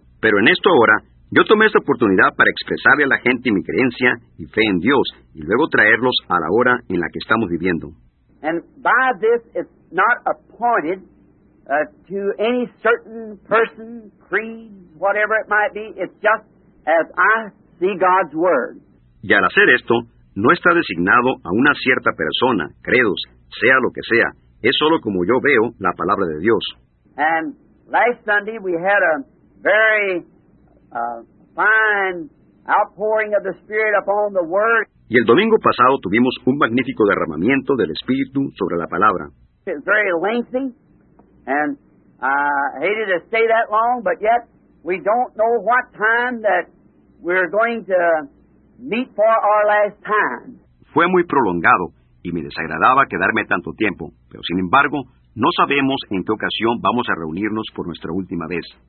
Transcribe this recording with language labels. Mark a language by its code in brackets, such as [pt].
[es] Pero en esto ahora, yo tomé esta oportunidad para expresarle a la gente mi creencia y fe en Dios, y luego traerlos a la hora en la que estamos viviendo. [en] And by this, it's not appointed to any certain person, creed, whatever it might be. It's just as I see God's Word. [es] Y al hacer esto, no está designado a una cierta persona, credos, sea lo que sea. Es solo como yo veo la palabra de Dios. [en] And last Sunday we had a very fine outpouring of the Spirit upon the Word. [es] Y el domingo pasado tuvimos un magnífico derramamiento del Espíritu sobre la palabra. [en] It's very lengthy, and I hated to stay that long, but yet we don't know what time that we're going to meet for our last time. [es] Fue muy prolongado, y me desagradaba quedarme tanto tiempo, pero sin embargo, no sabemos en qué ocasión vamos a reunirnos por nuestra última vez.